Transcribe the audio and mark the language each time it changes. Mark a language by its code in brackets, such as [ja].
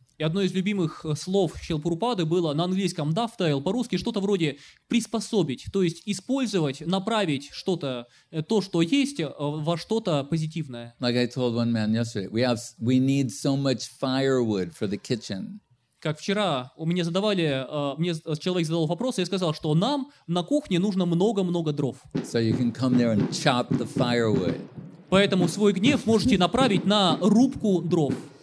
[ru] И одно из любимых слов Шрилы Прабхупады было на английском dovetail, по-русски что-то вроде приспособить, то есть использовать, направить что-то, то, что есть, во что-то позитивное. [en] Like I told one man yesterday, we need so much firewood for the kitchen. [ru] Как вчера у меня задавали, мне человек задал вопрос, и я сказал, что нам на кухне нужно много-много дров. [en] So you can come there and chop the firewood. [ru] Поэтому свой гнев можете направить на рубку дров.